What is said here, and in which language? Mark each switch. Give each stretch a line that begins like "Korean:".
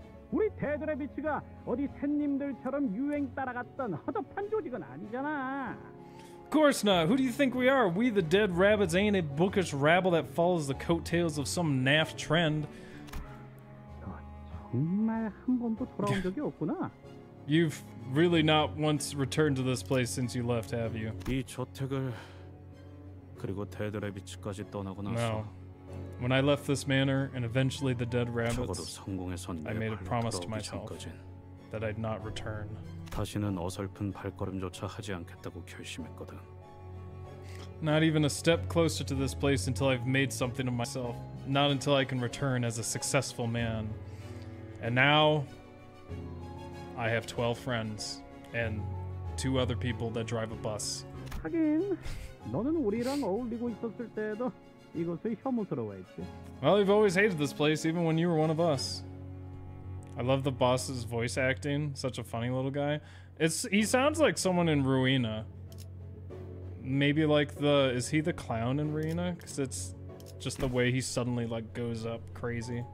Korean: 우리 데드레비치가 어디 샌님들처럼 유행 따라갔던 허접한 조직은 아니잖아!
English: Of course not! Who do you think we are? We the Dead Rabbits ain't a bookish rabble that follows the coattails of some naff trend.
Korean: 너 정말 한 번도 돌아온 적이 없구나?
English: You've really not once returned to this place since you left, have you?
Korean: 이 저택을... 그리고 데드레비치까지 떠나고 나서.
English: No. When I left this manor and eventually the Dead Rabbits,
Korean: 적어도 성공해선
English: I made a promise to myself that I'd not return.
Korean: 다시는 어설픈 발걸음조차 하지 않겠다고 결심했거든.
English: Not even a step closer to this place until I've made something of myself. Not until I can return as a successful man. And now I have 12 friends and two other people that drive a bus.
Korean: 하긴. 너는 우리랑 어울리고 있었을 때에도 이곳을 혐오스러워했지.
English: Well, you've always hated this place, even when you were one of us. I love the boss's voice acting. Such a funny little guy. He sounds like someone in Ruina. maybe like the, is he the clown in Ruina? Because it's just the way he suddenly like goes up crazy.